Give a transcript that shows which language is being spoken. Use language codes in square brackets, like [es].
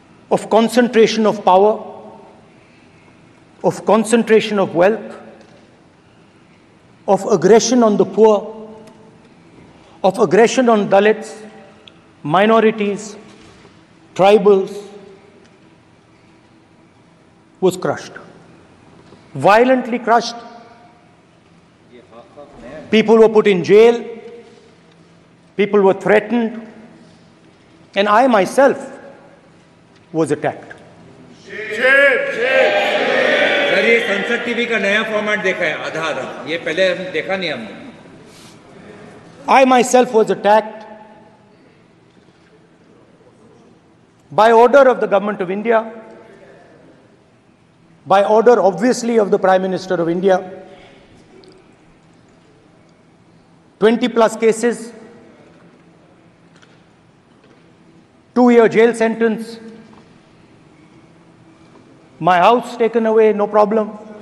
[en] of concentration of power, of concentration of wealth, of aggression on the poor, of aggression on Dalits, minorities, tribals, was crushed, violently crushed. People were put in jail. People were threatened, and I myself was attacked. Shame, shame, shame. [hi] ये संसद TV का नया format देखा है, आधा आधा, ये पहले हम देखा नहीं हमने। [en] I myself was attacked by order of the government of India, by order obviously of the Prime Minister of India. 20+ cases, 2-year jail sentence, my house taken away, no problem.